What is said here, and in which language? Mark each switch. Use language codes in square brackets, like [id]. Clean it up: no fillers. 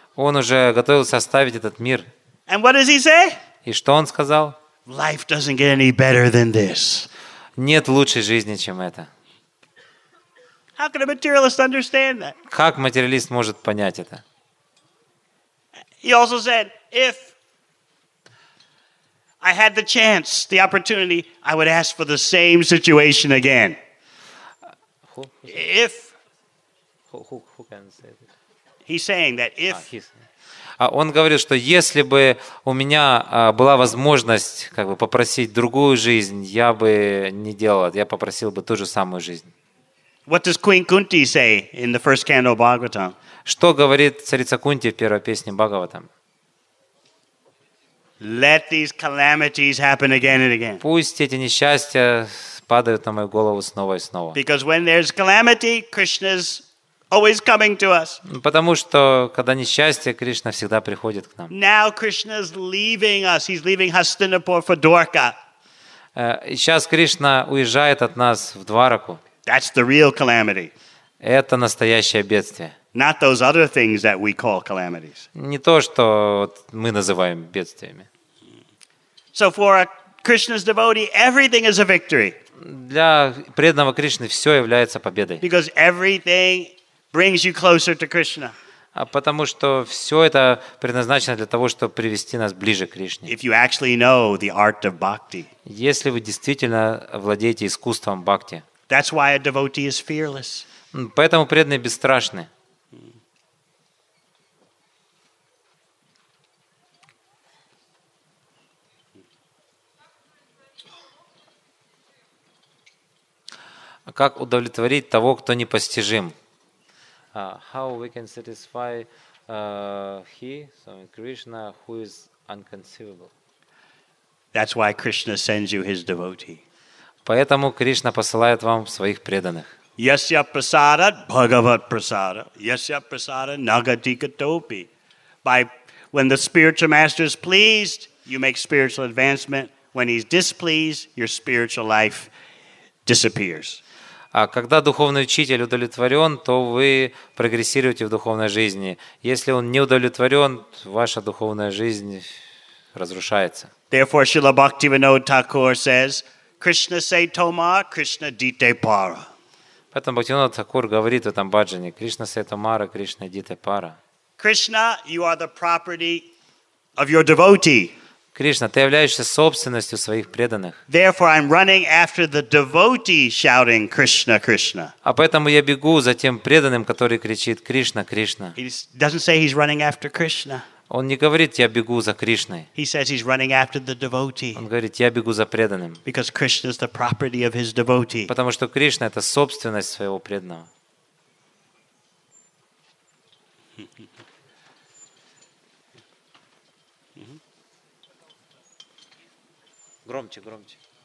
[ru] Он уже готовился оставить этот мир. [en] And what does he say? [ru] И что он сказал? [en] Life doesn't get any better than this. [ru] Нет лучшей жизни, чем это. [en] How can a materialist understand that? [ru] Как материалист может понять это? [en] He also said, if I had the chance, the opportunity, I would ask for the same situation again. If who can say this? He's saying that if [ru] Он говорит, что если бы у меня была возможность как бы попросить другую жизнь, я бы не делал, я попросил бы ту же самую жизнь. [en] What does Queen Kunti say in the first canto of Bhagavatam? [ru] Что говорит царица Кунти в первой песне Бхагаватам? [en] Let these calamities happen again and again. [ru] Пусть эти несчастья падают на мою голову снова и снова. [en] Because when there's calamity, Krishna's always coming to us. [ru] Потому что когда несчастье, Кришна всегда приходит к нам. [en] Now Krishna's leaving us. He's leaving Hastinapur for Dwarka. [ru] Сейчас Кришна уезжает от нас в Двараку. [en] That's the real calamity. [ru] Это настоящее бедствие. [en] Not those other things that we call calamities. [ru] Не то, что мы называем бедствиями. [en] So for a Krishna's devotee, everything is a victory. [ru] Для преданного Кришны все является победой. [en] Because everything brings you closer to Krishna. [ru] Потому что все это предназначено для того, чтобы привести нас ближе к Кришне. [en] If you actually know the art of bhakti. [ru] Если вы действительно владеете искусством бхакти. [en] That's why a devotee is fearless. [ru] Поэтому преданные бесстрашны. Как удовлетворить того, кто непостижим? [en] How we can satisfy Krishna who is inconceivable. That's why Krishna sends you his devotee. [ru] Поэтому Кришна посылает вам своих преданных. [sa] Yasya prasada bhagavat prasada yasya prasada nagatikatopi. [en] By when the spiritual master is pleased, you make spiritual advancement. When he's displeased, your spiritual life disappears. [ru] А когда духовный учитель удовлетворен, то вы прогрессируете в духовной жизни. Если он не удовлетворен, ваша духовная жизнь разрушается. [en] Therefore, Srila Bhaktivinoda Thakur says, [bn] Krishna se toma, Krishna dite para. [ru] Поэтому Бхактивинода Такур говорит в этом баджане, [bn] Krishna se toma, Krishna dite para. [en] Krishna, you are the property of your devotee. [ru] Кришна, ты являешься собственностью своих преданных. [en] Therefore, I'm running after the devotee shouting Krishna, Krishna. [ru] А поэтому я бегу за тем преданным, который кричит Кришна, Кришна. [en] He doesn't say he's running after Krishna. [ru] Он не говорит, я бегу за Кришной. [en] He says he's running after the devotee. [ru] Он говорит, я бегу за преданным. [en] Because Krishna is the property of his devotee. [ru] Потому что Кришна это собственность своего преданного. Громче, громче.